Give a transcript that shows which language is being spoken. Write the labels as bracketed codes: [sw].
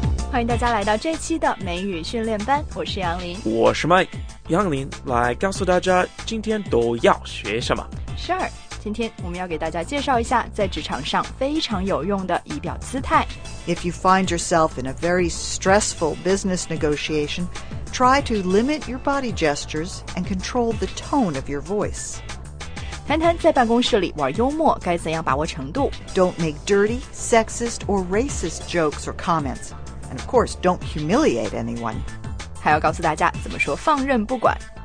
[zh] 欢迎大家来到这期的美语训练班，我是杨林，我是 Mike。杨林来告诉大家今天都要学什么。 [en] Sure， [zh] 今天我们要给大家介绍一下在职场上非常有用的仪表姿态。 [en] If you find yourself in a very stressful business negotiation, try to limit your body gestures and control the tone of your voice。 [zh] 谈谈在办公室里玩幽默该怎样把握程度。 [en] Don't make dirty, sexist, or racist jokes or comments. And of course, don't humiliate anyone. [zh] 还要告诉大家怎么说放任不管。